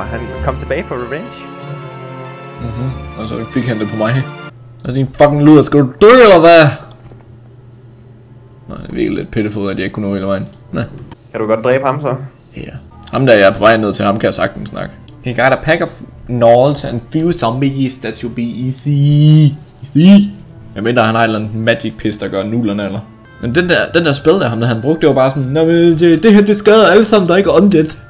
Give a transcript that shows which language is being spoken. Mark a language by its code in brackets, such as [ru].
[da] Han kom tilbage for revenge. Mhm, og så fik han det på mig. Og din fucking luder, skal du dø eller hvad? Nej, det er virkelig lidt pittefod, at jeg ikke kunne nå hele vejen. Nej. Kan du godt dræbe ham så? Ja. Ham der, jeg er på vej ned til ham, kan jeg sagtens snakke. [en] He got a pack of gnolls and few zombies, that should be easy. Easy. [da] Jeg mener, han har et eller andet magic piss, der gør nullerne eller. Men den der spil der, ham der han brugte, det var bare sådan, det her, det skader alle sammen, der ikke er undead.